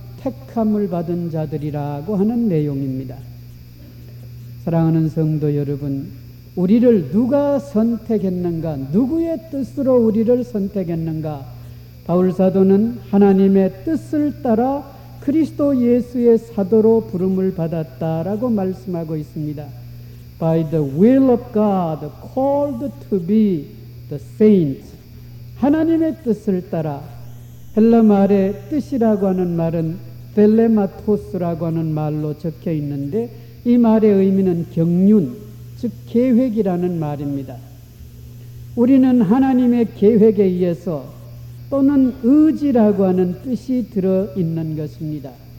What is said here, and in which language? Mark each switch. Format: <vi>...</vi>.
<ko>택함을 받은 자들이라고 하는 내용입니다. 사랑하는 성도 여러분, 우리를 누가 선택했는가? 누구의 뜻으로 우리를 선택했는가? 바울사도는 하나님의 뜻을 따라 그리스도 예수의 사도로 부름을 받았다라고 말씀하고 있습니다.</ko> <en>By the will of God, called to be the saint.</en> <ko>하나님의 뜻을 따라. 헬라 말의 뜻이라고 하는 말은 델레마토스라고 하는 말로 적혀 있는데 이 말의 의미는 경륜, 즉 계획이라는 말입니다. 우리는 하나님의 계획에 의해서 또는 의지라고 하는 뜻이 들어있는 것입니다.</ko>